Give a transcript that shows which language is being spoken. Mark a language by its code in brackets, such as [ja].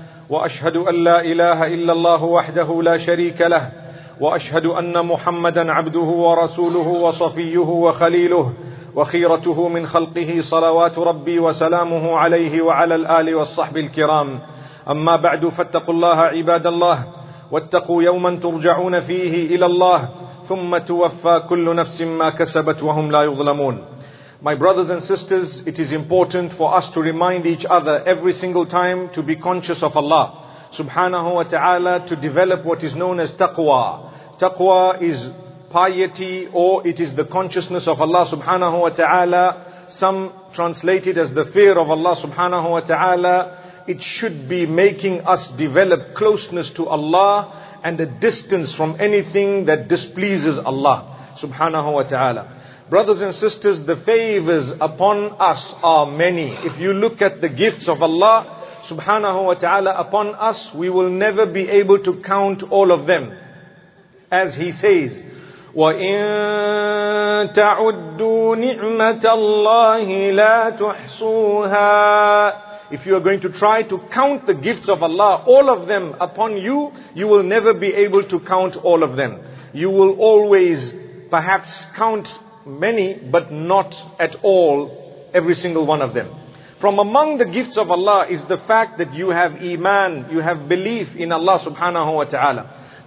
[ar] وأشهد أن لا إله إلا الله وحده لا شريك له وأشهد أن محمدًا عبده ورسوله وصفيه وخليله وخيرته من خلقه صلوات ربي وسلامه عليه وعلى الآل والصحب الكرام أما بعد فاتقوا الله عباد الله واتقوا يوما ترجعون فيه إلى الله ثم توفى كل نفس ما كسبت وهم لا يظلمون. [en] My brothers and sisters, it is important for us to remind each other every single time to be conscious of Allah subhanahu wa ta'ala, to develop what is known as taqwa. Taqwa is piety, or it is the consciousness of Allah subhanahu wa ta'ala, some translated as the fear of Allah subhanahu wa ta'ala. It should be making us develop closeness to Allah and a distance from anything that displeases Allah subhanahu wa ta'ala. Brothers and sisters, the favors upon us are many. If you look at the gifts of Allah subhanahu wa ta'ala upon us, we will never be able to count all of them. [ar] As he says, وَإِن تَعُدُّوا نِعْمَةَ اللَّهِ لَا تُحْصُوهَا. [en] If you are going to try to count the gifts of Allah, all of them upon you, you will never be able to count all of them. You will always perhaps count many, but not at all every single one of them. From among the gifts of Allah is the fact that you have iman, you have belief in Allah subhanahu wa ta'ala.